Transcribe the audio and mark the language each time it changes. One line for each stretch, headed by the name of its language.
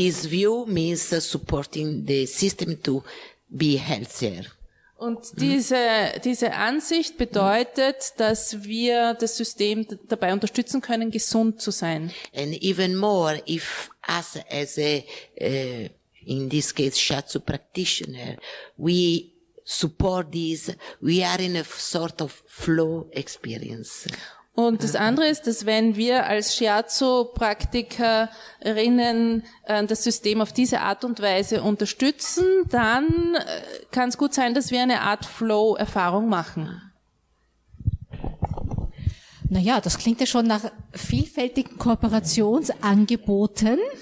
English: In this view means supporting the system to be healthier.
German: Und diese Ansicht bedeutet, dass wir das System dabei unterstützen können, gesund zu sein.
English: And even more, if us as a, in this case, shiatsu practitioner, we support this, we are in a sort of flow experience.
German: Und das andere ist, dass wenn wir als Shiatsu-Praktikerinnen das System auf diese Art und Weise unterstützen, dann kann es gut sein, dass wir eine Art Flow-Erfahrung machen. Naja, das klingt ja schon nach vielfältigen Kooperationsangeboten.